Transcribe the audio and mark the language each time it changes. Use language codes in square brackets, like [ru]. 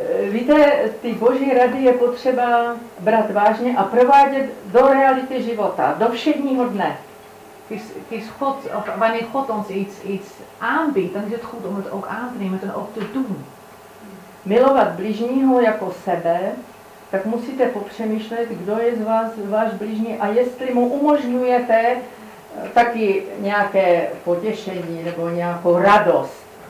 [cs] Víte, ty boží rady je potřeba brát vážně a provádět do reality života, do všedního dne. [nl] Když God, of wanneer God ons iets aanbiedt, dan is het goed om het ook aan te nemen, to ook te doen. [cs] Milovat bližního jako sebe, tak musíte popřemýšlet, kdo je z vás váš bližní a jestli mu umožňujete taky nějaké potěšení nebo nějakou radost.